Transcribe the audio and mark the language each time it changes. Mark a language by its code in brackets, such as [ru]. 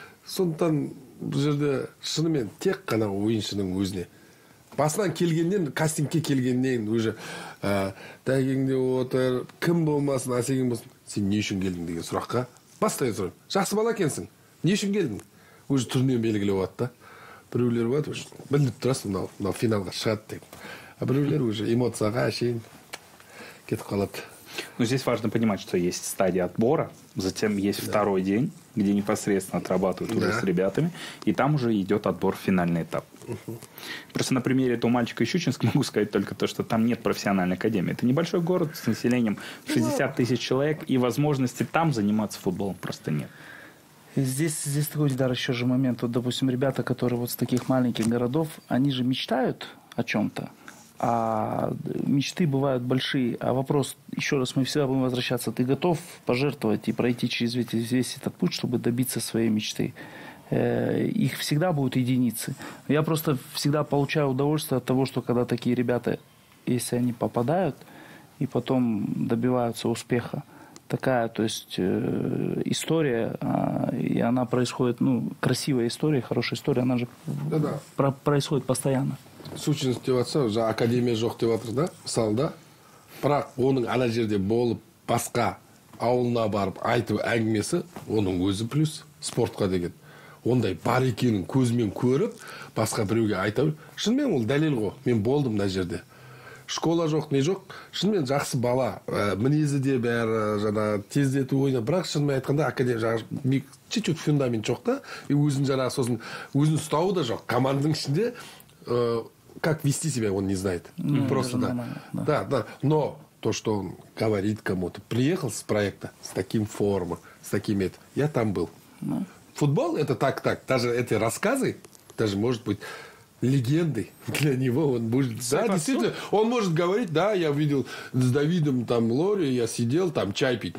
[kk] Сондықтан бұл жерде шынымен тек қана ойыншының өзіне басынан келгеннен, кастингке келгеннен уже дәкеңде отыр, кім болмасын, асегің болсын, сен не үшін келдің деген сұраққа бастай сұрайды. Жақсы бала екенсің, не үшін келдің? Уже түрінен белгілі болады да. Біреулер болады уже біліп тұрасың, мынау финалға шығады деп, а біреулер уже эмоцияға әшейін кетіп қалады. [ru] Но здесь важно понимать, что есть стадия отбора, затем есть второй день, где непосредственно отрабатывают уже с ребятами, и там уже идет отбор в финальный этап. Просто на примере этого мальчика из Щучинска могу сказать только то, что там нет профессиональной академии. Это небольшой город с населением 60 тысяч человек, и возможности там заниматься футболом просто нет. Здесь такой, да, еще же момент. Вот, допустим, ребята, которые вот с таких маленьких городов, они же мечтают о чем-то. А мечты бывают большие. А вопрос, еще раз, мы всегда будем возвращаться. Ты готов пожертвовать и пройти через весь этот путь, чтобы добиться своей мечты? Их всегда будут единицы. Я просто всегда получаю удовольствие от того, что когда такие ребята, если они попадают и потом добиваются успеха, такая, то есть история, и она происходит, ну, красивая история, хорошая история, она же происходит постоянно. [kk] Сучность деп отырса, жа академия жоқ деп отыр да, мысалы да. Бірақ оның ана жерде болып, басқа ауылына барып айтып әңгімесі, оның өзі плюс спортқа деген. Ондай бар екенін көзімен көріп, басқа біреуге айта біл. Шынымен ол дәлел ғой, мен болдым мына жерде. Школа жоқ, не жоқ. Шынымен жақсы бала, мінезі де бәрі жаңағы тездетіп ойнап, бірақ шынымен айтқанда академия чуть-чуть фундамент жоқ та, и өзін жаңағы сосын өзін ұстауы да жоқ команданың ішінде. [ru] Как вести себя, он не знает. Ну, просто да. Нормально, да. Да, да. Но то, что он говорит кому-то, приехал с проекта с таким форумом, с таким это, я там был. Ну. Футбол это так. Даже эти рассказы, даже может быть, легендой для него. Он будет, да, действительно, он может говорить, да, я видел с Давидом там Лори, я сидел там чай пить.